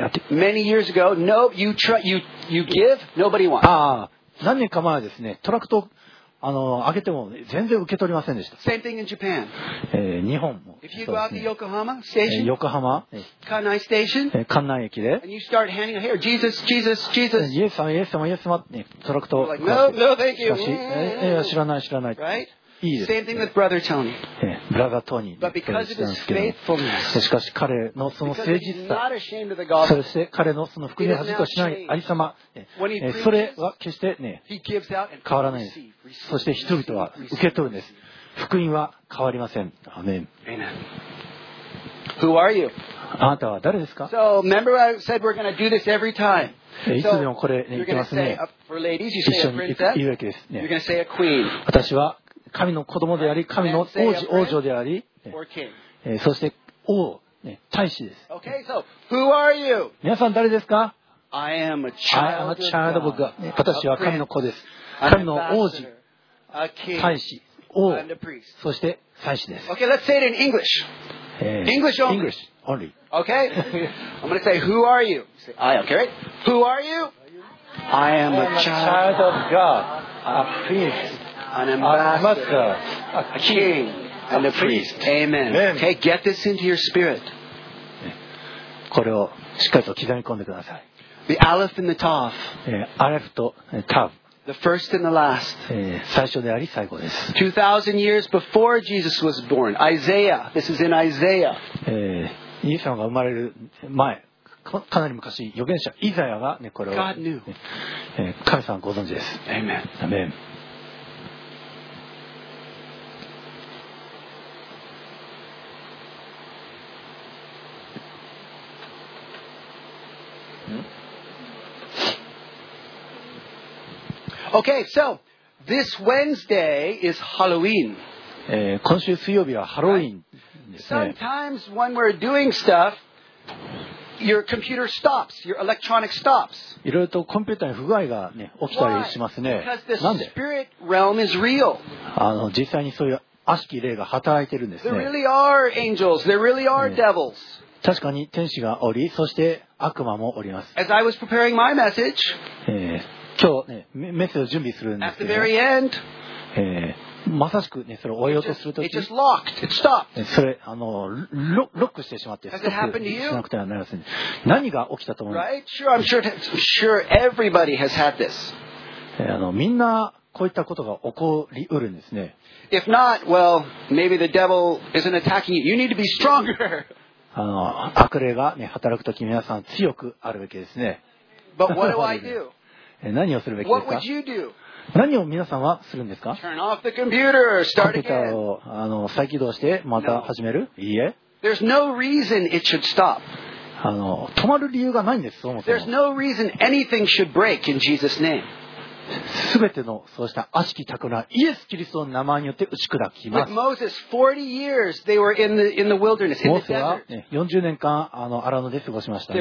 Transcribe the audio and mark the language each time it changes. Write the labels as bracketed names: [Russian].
[English] Many years ago, no, you give, nobody wants. [Japanese] 何年か前はですね、トラクトをあげても全然受け取りませんでした。 [English] Same thing in Japan. [Japanese] 日本も。 [English] If you go out to Yokohama station, [Japanese] 横浜、 [English] Kanai station, [Japanese] 関内駅で、 [English] and you start handing out here, Jesus, Jesus, Jesus. [Japanese] イエス様、イエス様、イエス様ってトラクト [English] を。No, no, thank you. [Japanese] しかし、知らない、知らない。 [English] Right? [Japanese] いいです [English] ね。Brother Tony. [Japanese] ブラザートニー。しかし彼のその誠実さ、そして彼のその福音を恥としないありさま、それは決して、ね、変わらないです。そして人々は受け取るんです。福音は変わりません。アメン。 [English] Who are you? [Japanese] あなたは誰ですか。 [English] So remember I said we're going to do this every time. [Japanese] いつでもこれ、ね、言ってますね。一緒に言うべきですね。私は神の子供であり、神の王子、王女であり、そして王、ね、大使です。 [English] okay, so, who are you? [Japanese] 皆さん誰ですか。 [English] I am a child, I am a child of God. [Japanese] 私は神の子です。神の王子、大使、王、そして祭司です。 [English] Okay, let's say it in English. English only. English only. Okay. I'm gonna say, who are you? I. Okay. Right? Who are you? I am a child of God, a priest, an ambassador, a king, and a priest. Amen. Okay, get this into your spirit. [Japanese] これをしっかりと刻み込んでください。 [English] The Aleph and the Tav. Aleph と Tav. The first and the last. [Japanese] 最初であり最後です。 [English] 2,000 years before Jesus was born. Isaiah. This is in Isaiah. [Japanese] イエス様が生まれる前、かなり昔、預言者イザヤが、ね、これを、 [English] God knew. [Japanese] 神様ご存知です。 [English] Amen. Amen. Okay, so this Wednesday is Halloween. [Japanese] 今週水曜日はハロウィーンですね。 [English] Sometimes when we're doing stuff, your computer stops, your electronic stops. [Japanese] いろいろとコンピューターに不具合が、ね、起きたりしますね。 [English] Why? Because the spirit realm is real. [Japanese] 実際にそういう悪しき霊が働いてるんですね。 [English] There really are angels. There really are devils. [Japanese] 確かに天使がおり、そして悪魔もおります。 [English] As I was preparing my message, [Japanese] 今日、ね、メッセージを準備するんですけど、 [English] end, [Japanese] まさしく、ね、それを終えようとすると [English] き、locked, [Japanese] それロックしてしまって、ストップしなくてはなりません。何が起きたと思うんですか？Right? [English] Sure, everybody has had this. [Japanese] みんなこういったことが起こりうるんですね。 [English] If not, well, maybe the devil isn't attacking you. You need to be stronger. [Japanese] 悪霊が、ね、働くとき、皆さん強くあるべきですね。 [English] But what do I do? [Japanese] 何をするべきですか？何を皆さんはするんですか？コンピューターを再起動してまた始める？ [English] No. [Japanese] いいえ。 [English] There's no reason it should stop. [Japanese] 止まる理由がないんです、そもそも。 [English] There's no reason anything should break in Jesus' name. [Japanese] 全てのそうした悪しき企み、イエス・キリストの名前によって打ち砕きます。 [English] With Moses, 40 years they were in the wilderness, in the desert. [Japanese] モーセは、ね、40年間アラノで過ごしましたね。